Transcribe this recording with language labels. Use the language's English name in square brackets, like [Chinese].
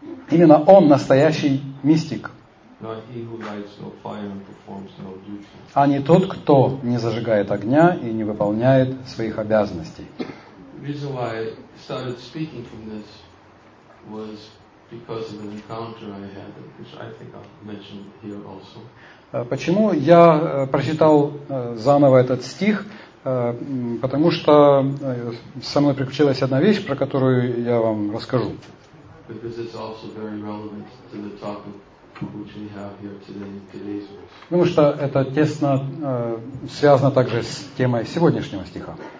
[Russian] Именно он настоящий мистик, а не тот, кто не зажигает огня и не выполняет своих обязанностей. [English] Reason why I started speaking from this was because of an encounter I had, which I think I'll mention here also. [Russian] Почему я прочитал заново этот стих? Потому что со мной приключилась одна вещь, про которую я вам расскажу. [English] Because it's also very relevant to the topic which we have here today, today's verse. [Russian] Потому что это тесно связано также с темой сегодняшнего стиха.